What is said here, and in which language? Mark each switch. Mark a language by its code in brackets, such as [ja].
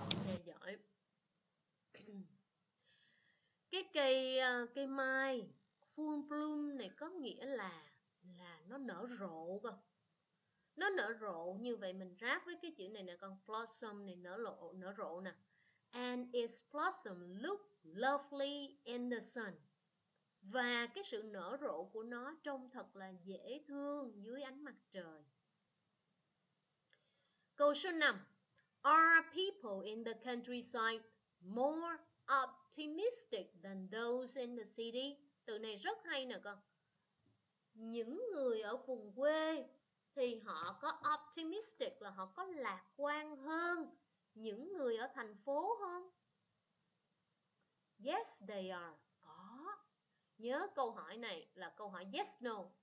[vi] Nghe giỏi. Cái cây mai [en] full bloom [vi] này có nghĩa là nó nở rộ không? Nó nở rộ như vậy mình ráp với cái chữ này nè con, blossom này nở rộ nè. [en] And its blossom look lovely in the sun. [vi] Và cái sự nở rộ của nó trông thật là dễ thương dưới ánh mặt trời. Câu số 5. [en] Are people in the countryside more optimistic than those in the city? [vi] Từ này rất hay nè con. Những người ở vùng quê thì họ có optimistic là họ có lạc quan hơn những người ở thành phố không? [en] Yes, they are. [vi] Có. Nhớ câu hỏi này là câu hỏi yes, no.